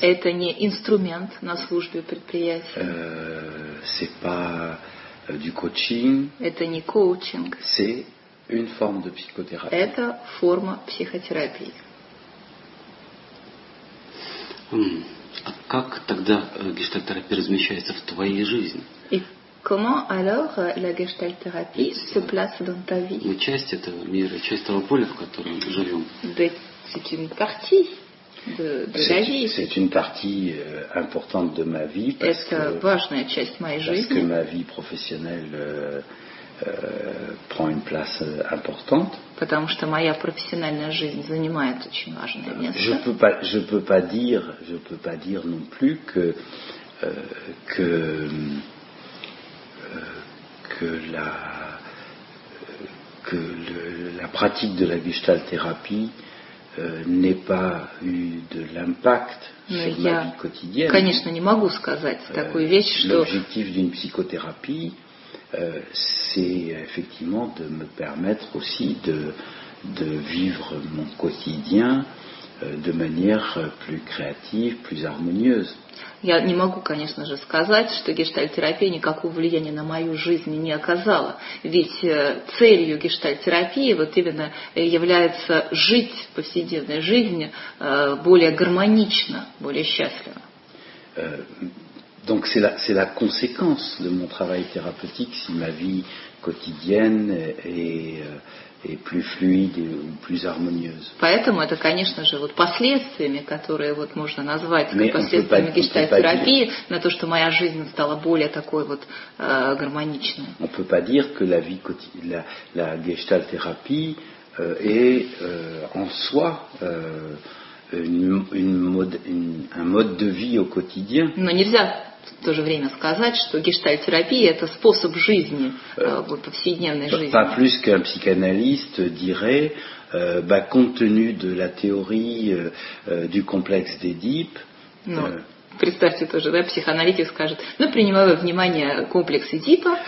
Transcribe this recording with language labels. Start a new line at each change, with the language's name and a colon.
Russian: Это не инструмент на службе предприятий.
French: C'est pas du coaching.
Russian: Это не коучинг.
French: C'est une forme de psychothérapie.
Russian: Это форма психотерапии. А как тогда гештальт-терапия размещается в твоей жизни? И
French: comment alors la гештальт-терапия se place dans ta vie?
Russian: Мы часть этого мира, часть того поля, в котором живем.
French: C'est une partie. C'est une partie importante de ma vie parce que ma vie professionnelle prend une place importante.
Russian: Потому что моя профессиональная жизнь занимает очень важное место.
French: Je peux pas dire non plus que la pratique de la gestalt-thérapie n'est pas eu de l'impact Mais sur ma vie quotidienne.
Russian: Конечно, не могу сказать такую вещь, что
French: l'objectif d'une psychothérapie, c'est effectivement de me permettre aussi de vivre mon quotidien de manière plus créative, plus harmonieuse.
Russian: Я не могу, конечно же, сказать, что гештальт-терапия никакого влияния на мою жизнь не оказала. Ведь целью гештальт-терапии вот именно является жить повседневной жизнью более гармонично, более счастливо.
French: Donc c'est la conséquence de mon travail thérapeutique si ma vie quotidienne est plus fluide ou plus harmonieuse.
Russian: Поэтому это, конечно же, вот последствиями, которые вот можно назвать как последствиями гештальт-терапии, на то, что моя жизнь стала более такой вот гармоничной.
French: On peut pas dire que la vie quotidienne, la гештальт-терапия est en soi un mode de vie au quotidien.
Russian: Но нельзя в то же время сказать, что гештальт-терапия это способ жизни, повседневной жизни.
French: Pas plus qu'un psychanalyste dirait, compte tenu de la théorie du complexe d'Édipe.
Russian: Представьте тоже, да, психоаналитик скажет, ну, принимая во внимание комплекс Эдипа.